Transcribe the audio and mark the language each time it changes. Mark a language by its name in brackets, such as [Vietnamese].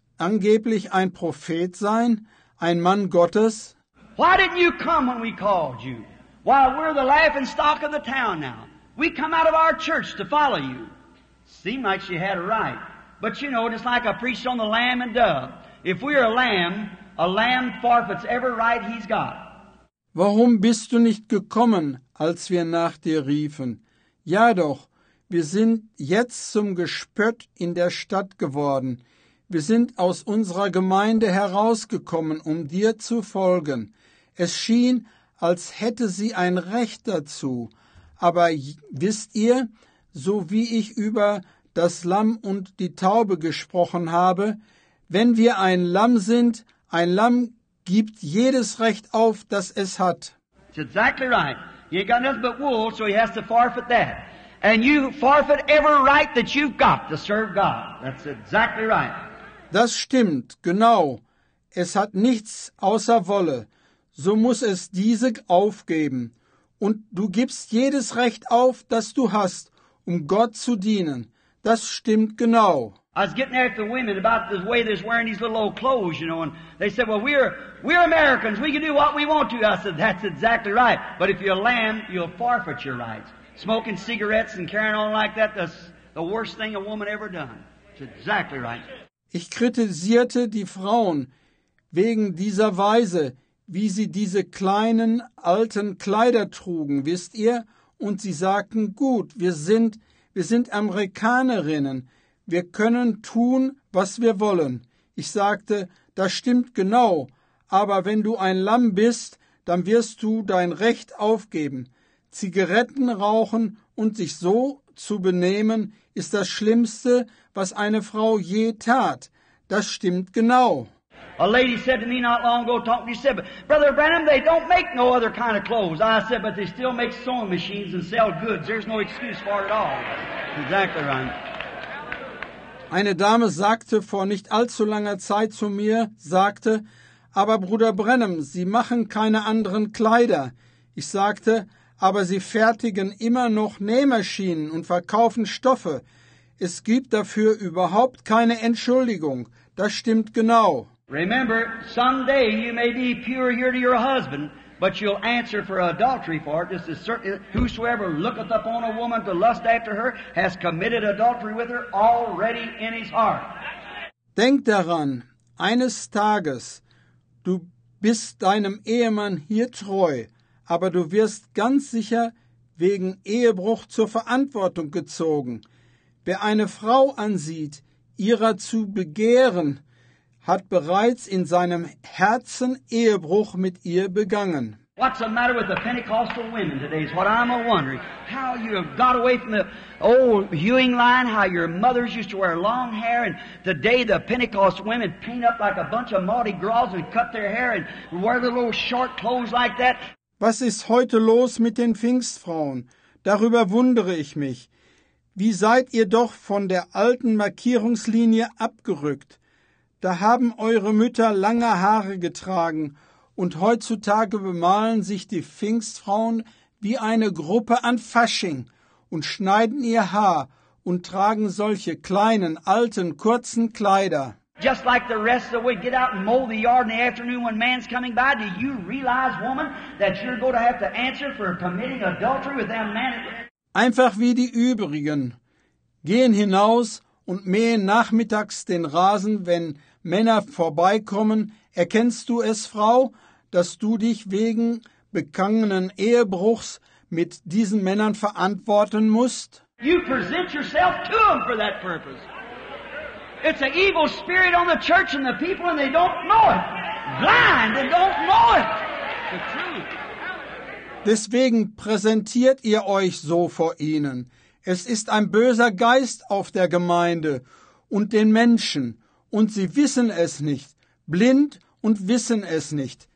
[German] angeblich ein Prophet sein, ein Mann Gottes? [English] Why didn't you come when we called you? While we're the laughing stock of the town now. We come out of our church to follow you. Seemed like she had a right. But you know, just like I preached on the lamb and dove. If we're a lamb forfeits every right he's got. [German] Warum bist du nicht gekommen, als wir nach dir riefen? Ja doch, wir sind jetzt zum Gespött in der Stadt geworden. Wir sind aus unserer Gemeinde herausgekommen, um dir zu folgen. Es schien, als hätte sie ein Recht dazu. Aber wisst ihr, so wie ich über das Lamm und die Taube gesprochen habe, wenn wir ein Lamm sind, ein Lamm gibt jedes Recht auf, das es hat. [English] It's exactly right. You ain't got nothing but wool, so he has to forfeit that. And you forfeit every right that you've got to serve God. That's exactly right. [German] Das stimmt, genau. Es hat nichts außer Wolle. So muss es diese aufgeben. Und du gibst jedes Recht auf, das du hast, um Gott zu dienen. Das stimmt genau. [English] I was getting at the women about the way they're wearing these little old clothes, you know, and they said, well, we're Americans. We can do what we want to. I said, that's exactly right. But if you're a lamb, you'll forfeit your rights. Smoking cigarettes and carrying on like that, that's the worst thing a woman ever done. It's exactly right. [German] Ich kritisierte die Frauen wegen dieser Weise, wie sie diese kleinen, alten Kleider trugen, wisst ihr? Und sie sagten, gut, wir sind Amerikanerinnen. Wir können tun, was wir wollen. Ich sagte, das stimmt genau, aber wenn du ein Lamm bist, dann wirst du dein Recht aufgeben. Zigaretten rauchen und sich so zu benehmen, ist das Schlimmste, was eine Frau je tat. Das stimmt genau. [English] A lady said to me not long ago, talking to you, said, but Brother Branham, they don't make no other kind of clothes. I said, but they still make sewing machines and sell goods. There's no excuse for it at all. Exactly right. [German] Eine Dame sagte vor nicht allzu langer Zeit zu mir, sagte, aber Bruder Branham, Sie machen keine anderen Kleider. Ich sagte, aber Sie fertigen immer noch Nähmaschinen und verkaufen Stoffe. Es gibt dafür überhaupt keine Entschuldigung. Das stimmt genau. [English] Remember, someday you may be pure here to your husband, but you'll answer for adultery for it. This is certain, whosoever looketh upon a woman to lust after her has committed adultery with her already in his heart. [German] Denk daran, eines Tages, du bist deinem Ehemann hier treu, aber du wirst ganz sicher wegen Ehebruch zur Verantwortung gezogen. Wer eine Frau ansieht, ihrer zu begehren, hat bereits in seinem Herzen Ehebruch mit ihr begangen. [English] What's the matter with the Pentecostal women today is what I'm a wondering. How you have got away from the old hewing line, how your mothers used to wear long hair, and today the Pentecost women paint up like a bunch of Mardi Gras and cut their hair and wear the little short clothes like that. [German] Was ist heute los mit den Pfingstfrauen? Darüber wundere ich mich. Wie seid ihr doch von der alten Markierungslinie abgerückt? Da haben eure Mütter lange Haare getragen und heutzutage bemalen sich die Pfingstfrauen wie eine Gruppe an Fasching und schneiden ihr Haar und tragen solche kleinen, alten, kurzen Kleider. [English] Just like the rest of the week, get out and mow the yard in the afternoon when man's coming by. Do you realize, woman, that you're going to have to answer for committing adultery with that man? [German] Einfach wie die übrigen. Gehen hinaus und mähe nachmittags den Rasen, wenn Männer vorbeikommen. Erkennst du es, Frau, dass du dich wegen begangenen Ehebruchs mit diesen Männern verantworten musst? [English] You present yourself to them for that purpose. It's an evil spirit on the church and the people, and they don't know it. Blind, they don't know it. The truth. [German] Deswegen präsentiert ihr euch so vor ihnen. Es ist ein böser Geist auf der Gemeinde und den Menschen, und sie wissen es nicht, blind und wissen es nicht.